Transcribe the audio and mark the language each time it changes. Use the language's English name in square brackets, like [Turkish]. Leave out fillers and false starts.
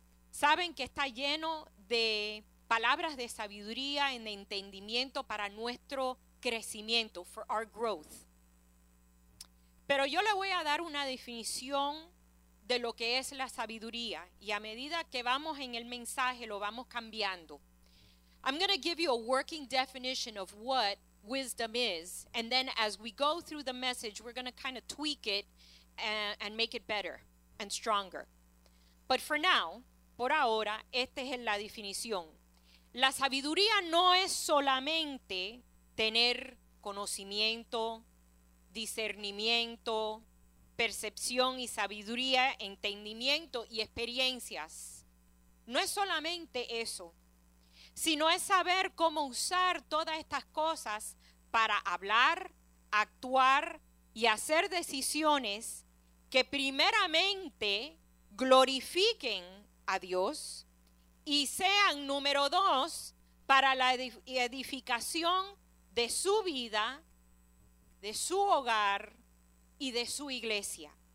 [Spanish] Saben que está lleno de palabras de sabiduría y de entendimiento para nuestro crecimiento, [English] for our growth. [Spanish] Pero yo le voy a dar una definición de lo que es la sabiduría, y a medida que vamos en el mensaje lo vamos cambiando. [English] I'm going to give you a working definition of what wisdom is, and then as we go through the message, we're going to kind of tweak it and make it better and stronger. But for now, [Spanish] por ahora, esta es la definición. La sabiduría no es solamente tener conocimiento, discernimiento, percepción y sabiduría, entendimiento y experiencias. No es solamente eso, sino es saber cómo usar todas estas cosas para hablar, actuar y hacer decisiones que primeramente glorifiquen a Dios y sean número dos para la edificación de su vida, de su hogar y de su iglesia.